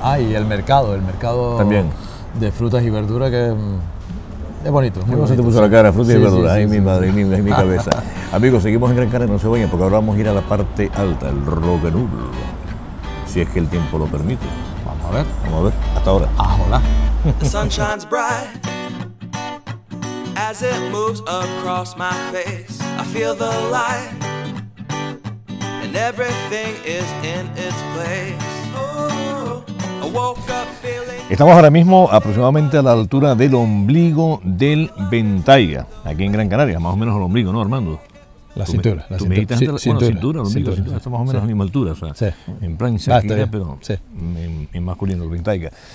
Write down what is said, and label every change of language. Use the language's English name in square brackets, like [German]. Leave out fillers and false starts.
[Spanish] Ah, y el mercado también. De frutas y verduras, que es bonito. Muy bonito. Se te puso la cara, frutas, sí, y verduras. Sí, ay, sí, mi sí. Madre, ay, mi cabeza. Amigos, seguimos en Gran Canaria, no se vayan, porque ahora vamos a ir a la parte alta, el Roque Nublo. Si es que el tiempo lo permite. Vamos a ver. Hasta ahora. Ah, hola. [English] The sun shines bright as it moves across my face. I feel the light and everything is in its place. Oh, I woke up feeling. [Spanish] Estamos ahora mismo aproximadamente a la altura del ombligo del Ventaiga, aquí en Gran Canaria, más o menos el ombligo, ¿no, Armando? La cintura. La cintura. Cintura. Está más o menos, sí, a la misma altura. O sea, sí. En plan, Shakira, pero en masculino, el Ventaiga.